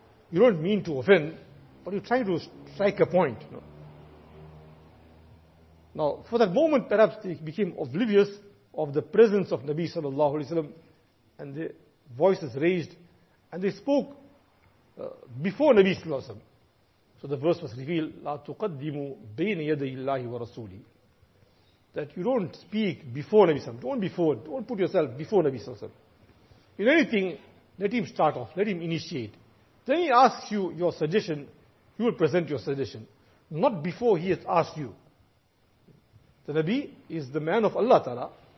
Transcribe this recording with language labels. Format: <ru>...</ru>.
<en>You don't mean to offend, but you're trying to strike a point. You know? Now, for that moment, perhaps they became oblivious of the presence of Nabi sallallahu alaihi wasallam, and their voices raised, and they spoke before Nabi sallallahu alaihi wasallam. So the verse was revealed,</en> <ar>لا تقدموا بين يدي الله ورسوله.</ar> <en>That you don't speak before Nabi sallallahu alaihi wasallam. Don't put yourself before Nabi sallallahu alaihi wasallam. In anything, let him start off, let him initiate. Then he asks you your suggestion, you will present your suggestion. Not before he has asked you. The Nabi is the man of Allah Ta'ala.</en>